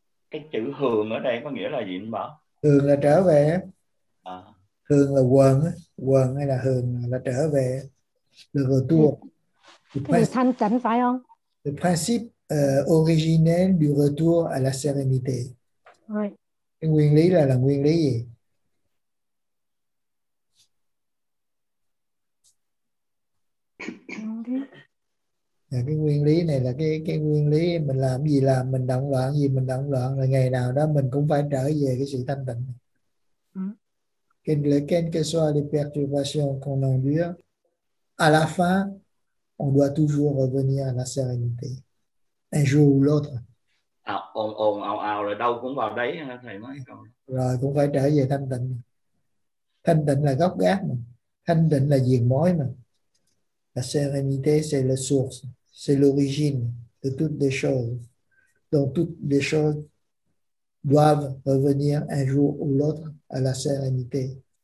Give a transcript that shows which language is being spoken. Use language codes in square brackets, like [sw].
[vi] Cái chữ hướng ở đây có nghĩa là gì anh bảo? Hướng là trở về, hướng là quần, quần hay là hướng là trở về, là vừa tua. Cái gì thanh tịnh phải không? [fr] Le principe originel du retour à la sérénité. [vi] Cái nguyên lý là nguyên lý gì? Cái nguyên lý này là cái nguyên lý mình làm gì làm, mình động loạn gì mình động loạn, là ngày nào đó mình cũng phải trở về cái sự thanh tịnh. [fr] Quelle que soit les perturbations qu'on endure, à la fin, on doit toujours revenir à la sérénité. Un jour ou l'autre. [vi] Rồi đâu cũng vào đấy thầy nói. Rồi cũng phải trở về thanh tịnh. Thanh tịnh là gốc gác mà. Thanh tịnh là diện mối mà. [fr] La sérénité, c'est la source, c'est l'origine de toutes les choses. Donc, toutes les choses doivent revenir un jour ou l'autre à la sérénité.